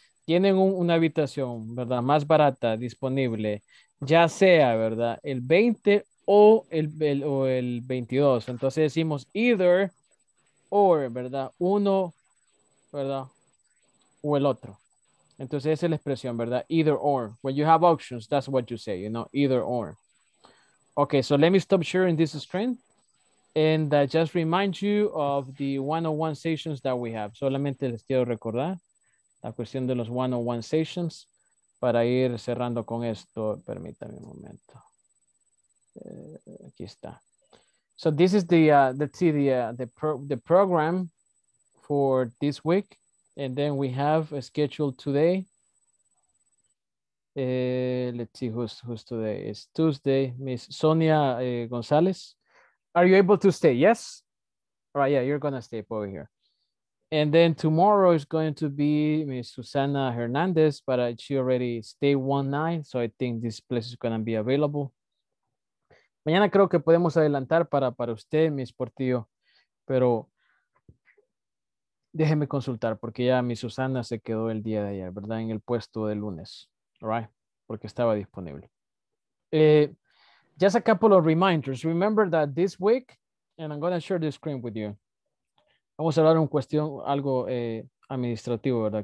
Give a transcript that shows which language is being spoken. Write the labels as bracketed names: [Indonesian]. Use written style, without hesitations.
[Spanish] Tienen una habitación, verdad, más barata, disponible, ya sea, verdad, el 20 o el 22. Entonces decimos [English] either or, [Spanish] verdad, uno, verdad, o el otro. Entonces esa es la expresión, verdad, [English] either or. When you have options, that's what you say, you know, either or. Okay, so let me stop sharing this screen. And just remind you of the 101 sessions that we have. [Spanish] Solamente les quiero recordar la cuestión de los 101 sessions para ir cerrando con esto. Permítame un momento. Aquí está. [English] So this is the program for this week. And then we have a schedule today. Let's see who's today. It's Tuesday, Miss Sonia Gonzalez. Are you able to stay? Yes. All right. Yeah, you're going to stay over here. And then tomorrow is going to be Miss Susana Hernandez, but she already stayed one night. So I think this place is going to be available. [Spanish] Mañana creo que podemos adelantar para usted, Miss Portillo. Pero déjeme consultar porque ya Miss Susana se quedó el día de ayer, ¿verdad? En el puesto de lunes. [English] All right. [Spanish] Porque estaba disponible. [English] Just a couple of reminders. Remember that this week, and I'm going to share the screen with you. [Spanish] Vamos a hablar un cuestión, algo administrativo, ¿verdad?